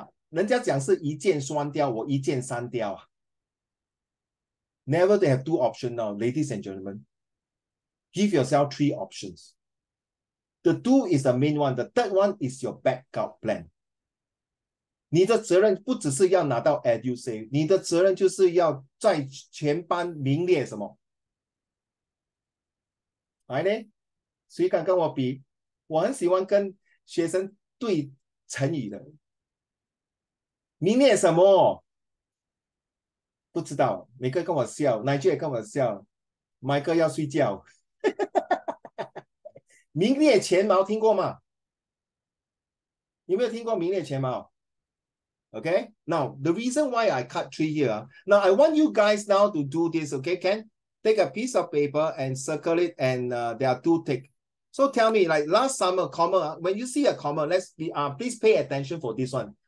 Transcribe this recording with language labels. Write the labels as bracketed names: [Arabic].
[Chinese] 人家讲是一箭双雕,我一箭三雕 [English] Never they have two options now, ladies and gentlemen. Give yourself three options. The two is the main one, the third one is your backup plan. [Chinese] 你的责任不只是要拿到 EduSave, 你的责任就是要在全班名列什么? 来呢?谁敢跟我比?我很喜欢跟学生 对成语的 明年什么? 不知道 每个跟我笑 乃俊也跟我笑 Michael要睡觉 明年前茅 听过吗? 有没有听过明年前茅?Okay? [English] Now, the reason why I cut three here Now, I want you guys now to do this Okay, Ken? Take a piece of paper and circle it and there are two ticks So tell me, like last summer, comma, when you see a comma, let's be, please pay attention for this one.